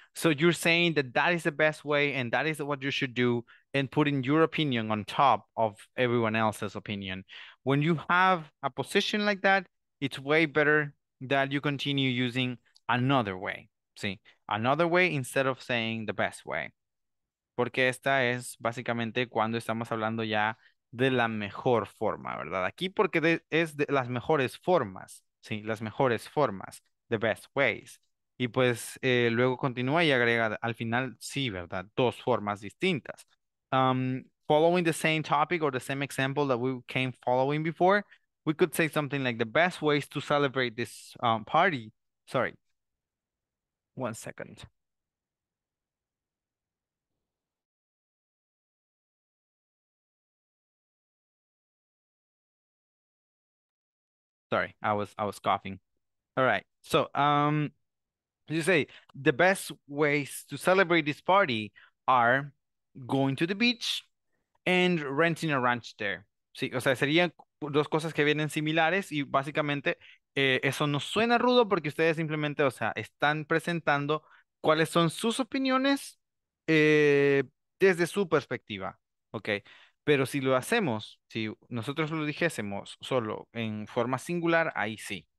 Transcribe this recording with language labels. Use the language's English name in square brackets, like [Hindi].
[English] So you're saying that that is the best way and that is what you should do, and putting your opinion on top of everyone else's opinion. When you have a position like that, it's way better that you continue using another way. See, another way instead of saying the best way. [Spanish] Porque esta es básicamente cuando estamos hablando ya de la mejor forma, ¿verdad? Aquí porque es de las mejores formas, ¿sí? Las mejores formas, [English] the best ways. [Spanish] Y pues luego continúa y agrega al final, sí, ¿verdad? Dos formas distintas. [English] Following the same topic or the same example that we came following before, we could say something like the best ways to celebrate this party. Sorry. One second. Sorry, I was coughing. All right. So, you say the best ways to celebrate this party are going to the beach and renting a ranch there. [Spanish] Sí, o sea, serían dos cosas que vienen similares y básicamente eso no suena rudo porque ustedes simplemente, o sea, están presentando cuáles son sus opiniones desde su perspectiva, ¿okay? Pero si lo hacemos, si nosotros lo dijésemos solo en forma singular, ahí sí.